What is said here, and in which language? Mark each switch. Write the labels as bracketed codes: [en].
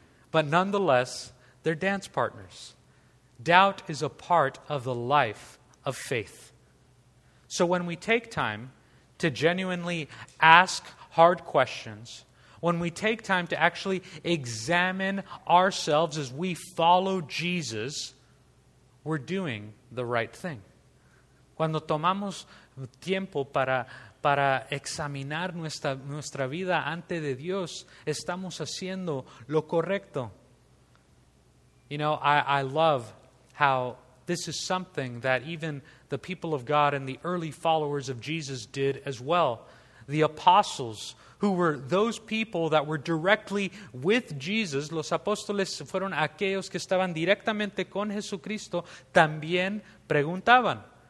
[en] But nonetheless, they're dance partners. Doubt is a part of the life of faith. So when we take time to genuinely ask hard questions, when we take time to actually examine ourselves as we follow Jesus, we're doing the right thing. [es] Cuando tomamos tiempo para examinar nuestra vida ante de Dios, estamos haciendo lo correcto. [en] You know, I love how this is something that even the people of God and the early followers of Jesus did as well. The apostles, who were those people that were directly with Jesus, [es] los apóstoles fueron aquellos que estaban directamente con Jesucristo, también preguntaban.